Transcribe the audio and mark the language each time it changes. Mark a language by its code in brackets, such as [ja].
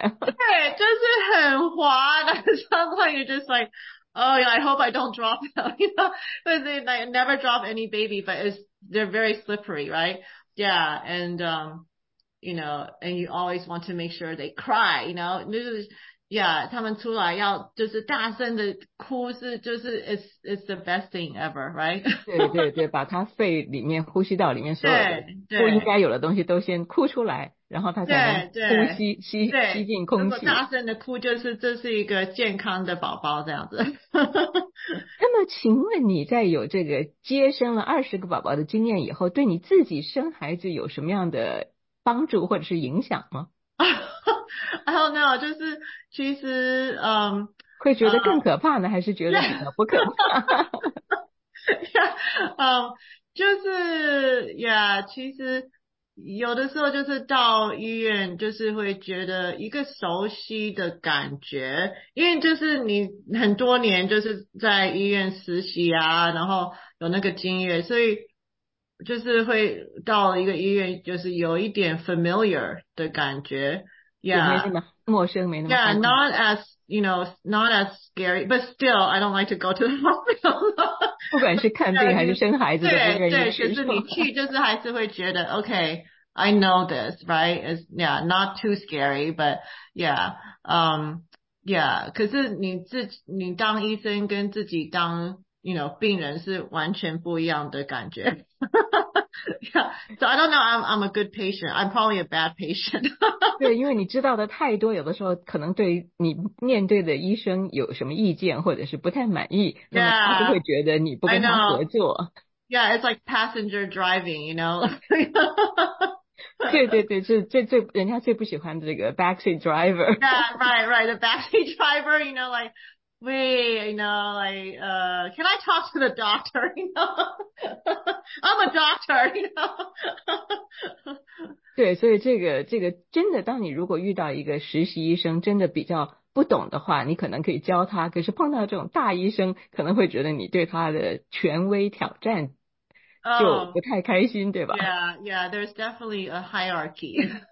[zh] 了，对，就是很滑的 [en] sometimes you're just like oh yeah, I hope I don't drop them you know, but they like, never drop any baby but it's, they're very slippery right yeah andyou know, and you always want to make sure they cry, you know, [zh] 就是 [en] yeah, [zh] 他们出来要就是大声的哭是就是 [en] it's the best thing ever, right? [zh] 对对对，把他肺里面呼吸道里面所有的不应该有的东西都先哭出来，然后他才能呼吸吸进空气。大声的哭就是这是一个健康的宝宝这样子。那么请问你在有这个接生了20个宝宝的经验以后，对你自己生孩子有什么样的帮助或者是影响吗？ [en] I don't know, [zh] 就是其实会觉得更可怕呢还是觉得比较不可怕就是 [en] yeah, [zh] 其实有的时候就是到医院就是会觉得一个熟悉的感觉，因为就是你很多年就是在医院实习啊，然后有那个经验，所以就是会到一个医院就是有一点 familiar 的感觉 yeah, 没那么陌生没那么 [en] yeah, not as, you know, not as scary, but still, I don't like to go to the hospital. [zh] 不管是看病还是生孩子都不愿意去。对对，就是你去就是还是会觉得 [en] OK, I know this, right? It's, yeah, not too scary, but yeah, [zh] 可是你当医生跟自己当 [en] You know, [zh] 病人是完全不一样的感觉。 [en] yeah, so I don't know, I'm a good patient. I'm probably a bad patient. [zh] 对，因为你知道的太多，有的时候可能对你面对的医生有什么意见或者是不太满意，那么他就会觉得你不跟他合作。 [en] Yeah, it's like passenger driving, you know. [zh] 对对对，是最人家最不喜欢的这个 backseat driver. [en] yeah, right, right, the backseat driver, you know, like,Wait, you know, like, can I talk to the doctor, you know? I'm a doctor, you know? [zh] 对，所以这个真的，当你如果遇到一个实习医生真的比较不懂的话，你可能可以教他，可是碰到这种大医生，可能会觉得你对他的权威挑战就不太开心，对吧？ [en] Yeah, yeah, there's definitely a hierarchy.